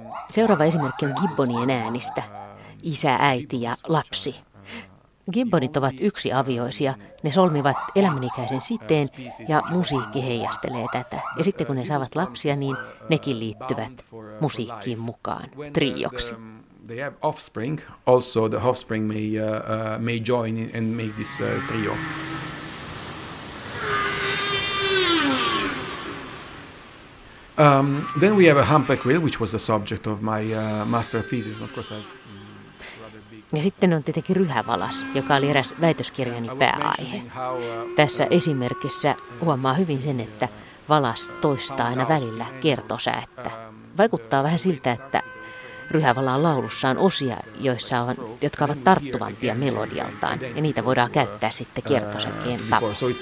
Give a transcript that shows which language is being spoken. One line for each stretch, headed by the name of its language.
Finnish: Seuraava esimerkki on gibbonien äänistä. Isä, äiti ja lapsi. Gibbonit ovat yksi avioisia. Ne solmivat elämänikäisen siteen ja musiikki heijastelee tätä. Ja sitten kun ne saavat lapsia, niin nekin liittyvät musiikkiin mukaan trioksi.
English: They have offspring. Also, the offspring may join in and make this trio. Then we have a humpback whale, which was the subject of my master thesis. Of course, I've.
Finnish: Ja sitten on tietenkin ryhävalas, joka oli eräs väitöskirjani pääaihe. Tässä esimerkissä huomaa hyvin sen, että valas toistaa aina välillä kertosäättä. Vaikuttaa vähän siltä, että ryhävalaan laulussa on osia, jotka ovat tarttuvampia melodialtaan, ja niitä voidaan käyttää sitten kiertosäkeen tavoin.